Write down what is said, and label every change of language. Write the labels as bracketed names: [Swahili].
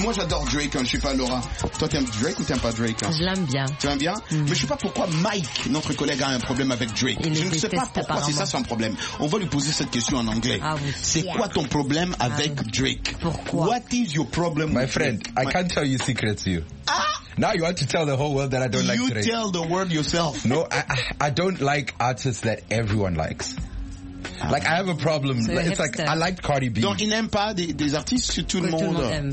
[French] Moi, j'adore Drake, hein, je suis pas Laura. Toi, t'aimes Drake ou t'aimes pas Drake, hein? Je l'aime bien. Tu l'aimes bien? Mm-hmm. Mais je sais pas pourquoi Mike, notre collègue, a un problème avec Drake. Je ne sais pas pourquoi, c'est ça son problème. On va lui poser cette question en anglais. C'est quoi ton problème avec Drake? Pourquoi? [English] What is your problem? My friend, I can't tell you secrets to you. Now you want to tell the whole world that I don't like Drake. You tell the world yourself. No, I don't like artists that everyone likes. Like, I have a problem. So it's like, I like Cardi B. [French] Donc, il n'aime pas des artistes que tout le monde aime.